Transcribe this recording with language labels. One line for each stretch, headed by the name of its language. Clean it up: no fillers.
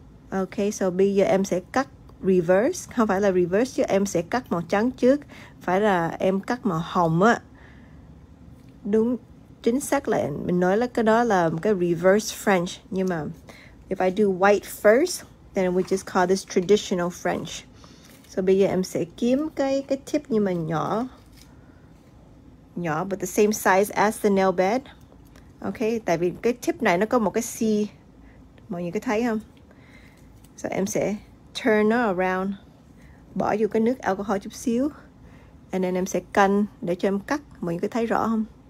Vietnamese: Ok, so bây giờ em sẽ cắt reverse, không phải là reverse chứ em sẽ cắt màu trắng trước, phải là em cắt màu hồng á. Đúng, chính xác là mình nói là cái đó là cái reverse French. Nhưng mà
English: if I do white first, then we just call this traditional French.
Vietnamese: So bây giờ em sẽ kiếm cái tip nhưng mà nhỏ. Nhỏ,
English: but the same size as the nail bed.
Vietnamese: Ok, tại vì cái tip này nó có một cái C. Mọi người có thấy không? So em sẽ turn nó around. Bỏ vô cái nước alcohol chút xíu.
English: And then
Vietnamese: em sẽ cân để cho em cắt. Mọi người có thấy rõ không?